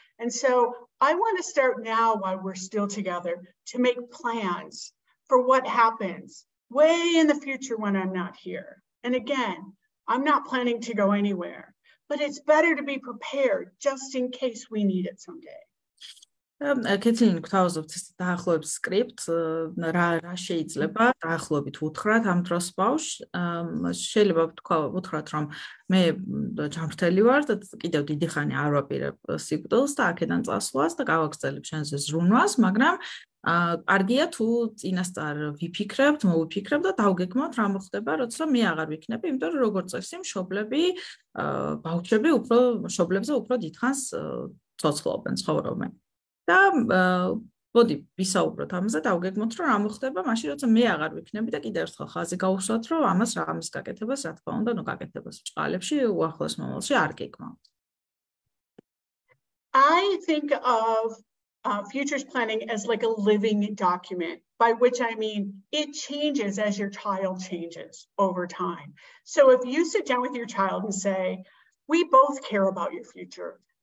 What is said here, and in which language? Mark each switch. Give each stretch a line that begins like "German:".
English: And so I want to start now while we're still together to make plans for what happens way in the future when I'm not here. And again, I'm not planning to go anywhere. But it's better to be prepared just in case we need it someday.
Georgian: Კეთილინ, გთავაზობთ ეს დაახლოებს სკრიპტს, რა შეიძლება დაახლოებით უთხრათ ამ დროს ბავშვ. შეიძლება ვთქვა, უთხრათ, რომ მე ჯანმრთელი ვარ და კიდევ დიდი ხანი არ ვაპირებ სიკვდილს და აქედან წასვლას და გავაგრძელებ შენზე ზრუნვას, მაგრამ კარგია თუ წინასწარ ვიფიქრებთ, მოვიფიქრებთ და დავგეგმოთ რა მოხდება, როცა მე აღარ ვიქნები, იმიტომ რომ როგორც წესი მშობლები, ბავშვები უფრო მშობლებზე უფრო დიდხანს ცოცხლობენ, ცხოვრობენ. და მოდი, ვისაუბროთ ამაზე, დავგეგმოთ, რომ რა მოხდება, მაშინ როცა მე აღარ ვიქნები და კიდევ ერთხელ ხაზი გავუსვათ, რომ ამას რამის გაკეთებას, რა თქმა უნდა, ნუ გაკეთებას ბჭყალებში, უახლოს მომავალში არ გეგმავთ.
English: I think of futures planning as like a living document, by which I mean it changes as your child changes over time. So if you sit down with your child and say, "We both care about your future.